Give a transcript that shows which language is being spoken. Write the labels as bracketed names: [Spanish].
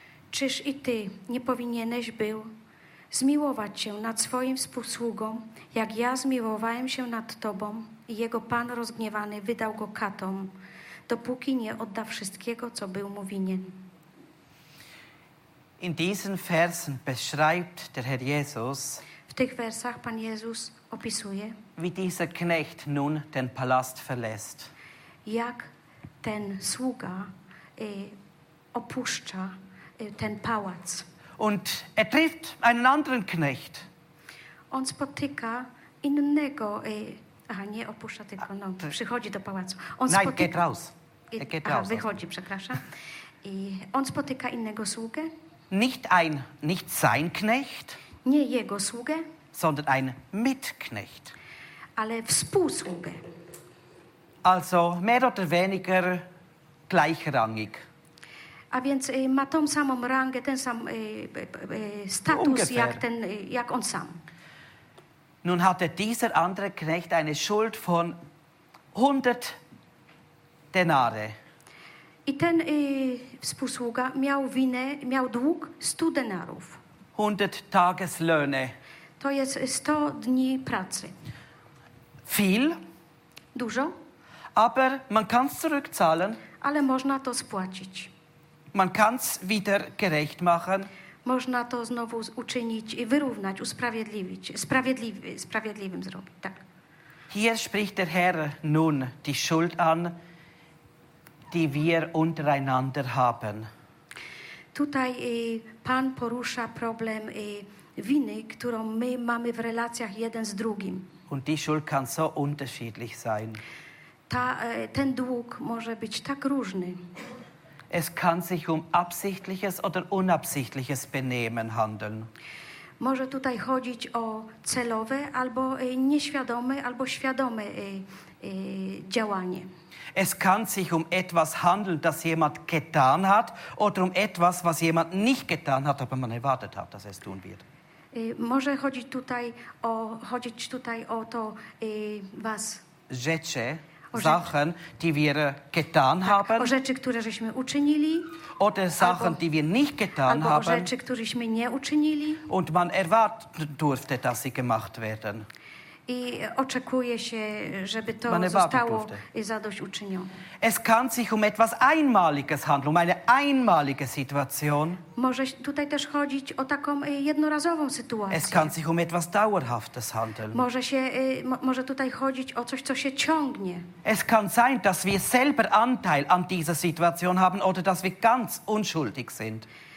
[Polish] Czyż i ty nie powinieneś był zmiłować się nad swoim współsługą, jak ja zmiłowałem się nad tobą? I jego pan rozgniewany wydał go katom, dopóki nie odda wszystkiego, co był mu winien. [German] In diesen Versen beschreibt der Herr Jesus, [Polish] w tych wersach Pan Jezus opisuje, [German] wie dieser Knecht nun den Palast verlässt. [Polish] Jak ten sługa opuszcza ten pałac. [German] Und er trifft einen anderen Knecht. [Polish] On spotyka innego, nie opuszcza tylko, przychodzi do pałacu. On [German] nein, [Polish] spotyka... [German] geht raus. [Polish] Wychodzi, przepraszam. I on spotyka innego sługę. [German] Nicht sein Knecht. [Polish] Nie jego sługę. [German] Sondern ein Mitknecht. [Polish] Ale współsługę. [German] Also mehr oder weniger gleichrangig. [Polish] A więc ma tą samą rangę, ten sam status [German] ungefähr. [Polish] jak on sam. [German] Nun hatte dieser andere Knecht eine Schuld von 100 denare. [Polish] I ten współsługa miał winę, miał dług 100 denarów. [German] 100 Tageslöhne. [Polish] To jest 100 dni pracy. [German] Viel. [Polish] Dużo. [German] Aber man kann es zurückzahlen. [Polish] Ale można to spłacić. [German] Man kann es wieder gerecht machen. [Polish] Można to znowu uczynić i wyrównać, usprawiedliwić, sprawiedliwym zrobić, tak. [German] Hier spricht der Herr nun die Schuld an, die wir untereinander haben. [Polish] Tutaj Pan porusza problem winy, którą my mamy w relacjach jeden z drugim. [German] Und die Schuld kann so unterschiedlich sein. [Polish] Ten dług może być tak różny. [German] Es kann sich um absichtliches oder unabsichtliches Benehmen handeln. [Polish] Może tutaj chodzić o celowe albo nieświadome albo świadome działanie. [German] Es kann sich um etwas handeln, das jemand getan hat, oder um etwas, was jemand nicht getan hat, aber man erwartet hat, dass er es tun wird. [Polish] Może chodzić tutaj o to was. Rzeczy, [German] Sachen, die wir getan haben. [Polish] O rzeczy, które żeśmy uczynili. [German] Oder Sachen, die wir nicht getan [Polish] albo [German] haben. [Polish] O rzeczy, któreśmy nie uczynili. [German] Und man erwarten durfte, dass sie gemacht werden. [Polish] I oczekuje się, żeby to zostało zadośćuczynione. [German] Es kann sich um etwas Einmaliges handeln, um eine einmalige Situation. [Polish] Może tutaj też chodzić o taką jednorazową sytuację. [German] Es kann sich um etwas Dauerhaftes handeln. [Polish] Może tutaj chodzić o coś, co się ciągnie. [German] Es kann sein, dass wir selber Anteil an dieser Situation haben oder dass wir ganz unschuldig sind.